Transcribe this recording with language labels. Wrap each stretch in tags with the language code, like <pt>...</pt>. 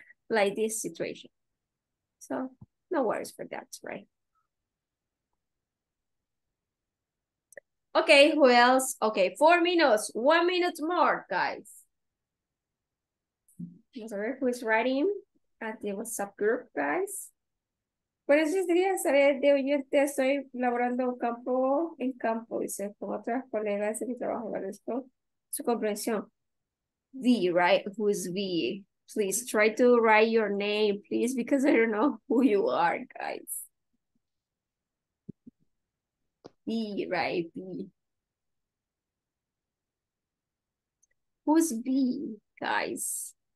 <en>Like this situation. So no worries for that, right? Okay, who else? Okay, 4 minutes, 1 minute more, guys.</en> <es>Vamos a ver</es> <en>who is writing at the WhatsApp group, guys.</en> <es>Buenos días, saber de oyente. Estoy laborando en campo, dice, con otras colegas de mi trabajo. Agradezco su comprensión.</es> <en>V, right? Who is V? Please try to write your name, please, because I don't know who you are, guys. V, right? V. Who's V, guys?</en>